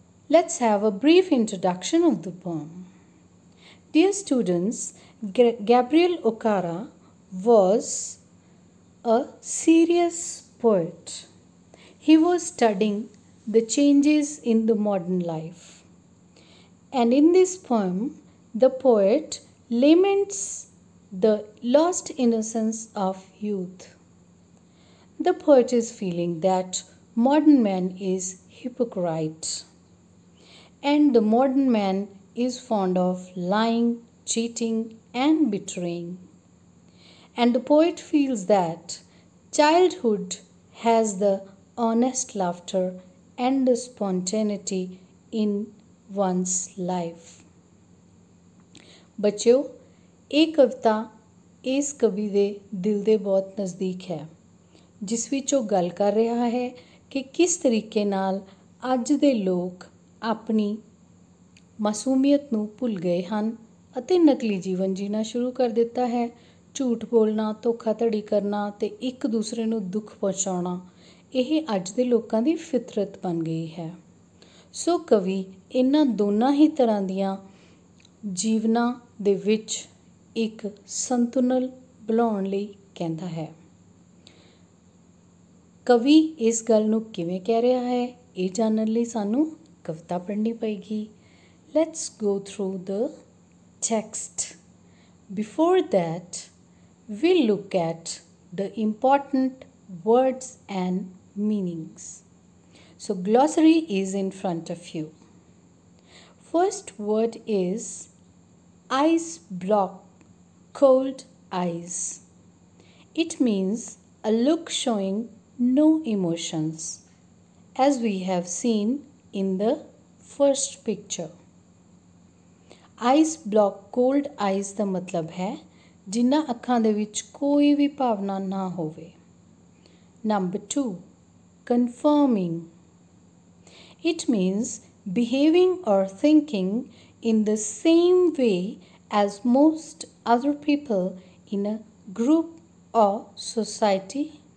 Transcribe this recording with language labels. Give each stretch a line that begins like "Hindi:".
English: Let's have a brief introduction of the poem. Dear students, Gabriel Okara was a serious poet. He was studying the changes in the modern life. And in this poem, the poet laments the lost innocence of youth. The poet is feeling that modern man is hypocrite. And the modern man is fond of lying, cheating, and betraying. And the poet feels that childhood has the honest laughter and the spontaneity in one's life.
Punjabi: ਬੱਚਿਓ, ਇਹ ਕਵਿਤਾ ਇਸ ਕਵੀ ਦੇ ਦਿਲ ਦੇ ਬਹੁਤ ਨਜ਼ਦੀਕ ਹੈ, ਜਿਸ ਵਿੱਚ ਉਹ ਗੱਲ ਕਰ ਰਿਹਾ ਹੈ ਕਿ ਕਿਸ ਤਰੀਕੇ ਨਾਲ ਅੱਜ ਦੇ ਲੋਕ ਆਪਣੀ ਮਾਸੂਮੀਅਤ ਨੂੰ ਭੁੱਲ ਗਏ ਹਨ ਅਤੇ ਨਕਲੀ ਜੀਵਨ ਜੀਣਾ ਸ਼ੁਰੂ ਕਰ ਦਿੱਤਾ ਹੈ। ਝੂਠ ਬੋਲਣਾ, ਧੋਖਾਧੜੀ ਕਰਨਾ ਅਤੇ ਇੱਕ ਦੂਸਰੇ ਨੂੰ ਦੁੱਖ ਪਹੁੰਚਾਉਣਾ, ਇਹ ਅੱਜ ਦੇ ਲੋਕਾਂ ਦੀ ਫਿਤਰਤ ਬਣ ਗਈ ਹੈ। ਸੋ ਕਵੀ ਇਹਨਾਂ ਦੋਨਾਂ ਹੀ ਤਰ੍ਹਾਂ ਦੀਆਂ ਜੀਵਨਾਂ ਦੇ ਵਿੱਚ ਇੱਕ ਸੰਤੁਲਨ ਬਣਾਉਣ ਲਈ ਕਹਿੰਦਾ ਹੈ। ਕਵੀ ਇਸ ਗੱਲ ਨੂੰ ਕਿਵੇਂ ਕਹਿ ਰਿਹਾ ਹੈ, ਇਹ ਜਾਣਨ ਲਈ ਸਾਨੂੰ ਕਵਿਤਾ ਪੜ੍ਹਨੀ ਪਏਗੀ।
English: Let's go through the text. Before that, we'll look at the important words and meanings. So, glossary is in front of you. First word is ice block, cold eyes. It means a look showing no emotions, as we have seen in the first picture.
Punjabi: Ice block cold ice ਦਾ ਮਤਲਬ ਹੈ ਜਿਨ੍ਹਾਂ ਅੱਖਾਂ ਦੇ ਵਿੱਚ ਕੋਈ ਵੀ ਭਾਵਨਾ ਨਾ ਹੋਵੇ।
English: Number 2, conforming. It means behaving or thinking in the same way as most other people in a group or society.